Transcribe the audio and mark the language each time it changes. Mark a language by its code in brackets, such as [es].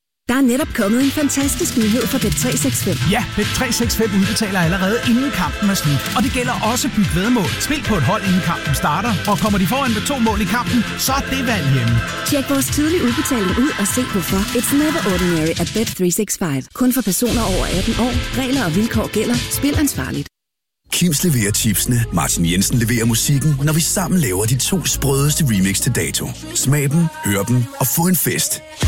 [da] Der er netop kommet en fantastisk nyhed fra Bet365. Ja, Bet365 udbetaler allerede inden kampen er slut. Og det gælder også byg vedmål. Spil på et hold, inden kampen starter. Og kommer de foran med 2 mål i kampen, så er det valg hjemme. Tjek vores tidlige udbetaling ud og se hvorfor. [en] It's never ordinary at Bet365. [da] Kun for personer over 18 år. Regler og vilkår gælder. Spil ansvarligt. Kims leverer chipsene, Martin Jensen leverer musikken, når vi sammen laver de 2 sprødeste remix til dato. Smag dem, hør dem og få en fest.